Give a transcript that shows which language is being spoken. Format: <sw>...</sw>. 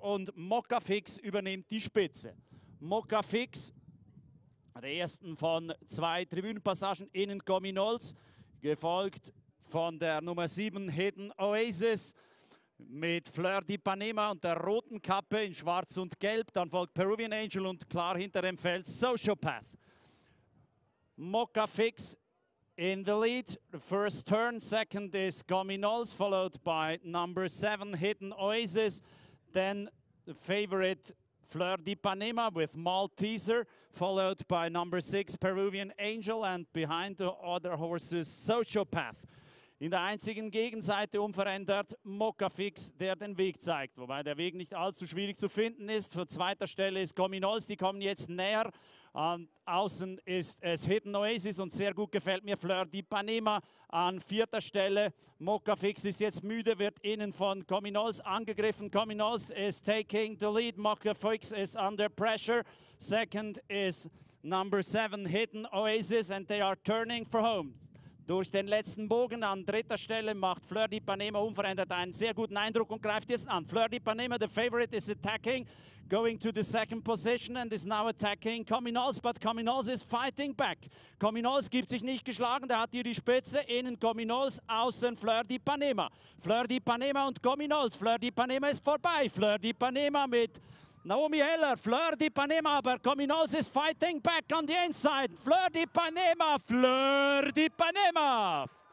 <de>Und Mocha Fix übernimmt die Spitze. Mocha Fix, der ersten von zwei Tribünenpassagen, innen Gominols, gefolgt von der Nummer 7 Hidden Oasis mit Fleur de Panema und der roten Kappe in schwarz und gelb. Dann folgt Peruvian Angel und klar hinter dem Feld Sociopath.</de> <en>Mocha Fix in the lead, the first turn, second is Gominols, followed by number 7 Hidden Oasis, then the favorite Fleur de Panema with Malteser, followed by number 6 Peruvian Angel and behind the other horses Sociopath.</en> <de>In der einzigen Gegenseite unverändert Mocha Fix, der den Weg zeigt, wobei der Weg nicht allzu schwierig zu finden ist. Vor zweiter Stelle ist Gominols, die kommen jetzt näher. An außen ist es Hidden Oasis und sehr gut gefällt mir Fleur de Panema an vierter Stelle. Mocha Fix ist jetzt müde, wird innen von Gominols angegriffen.</de> <en>Gominols is taking the lead, Mocha Fix is under pressure. Second is number 7 Hidden Oasis and they are turning for home.</en> <de>Durch den letzten Bogen an dritter Stelle macht Fleur de Panema unverändert einen sehr guten Eindruck und greift jetzt an.</de> <en>Fleur de Panema, the favorite, is attacking, going to the second position and is now attacking Gominols, but Gominols is fighting back.</en> <de>Gominols gibt sich nicht geschlagen, der hat hier die Spitze, innen Gominols, außen Fleur de Panema. Fleur de Panema und Gominols, Fleur de Panema ist vorbei, Fleur de Panema mit Naomi Heller, Fleur de Panema,</de> <en>but Gominols is fighting back on the inside.</en> <de>Fleur de Panema, Fleur de Panema.</de>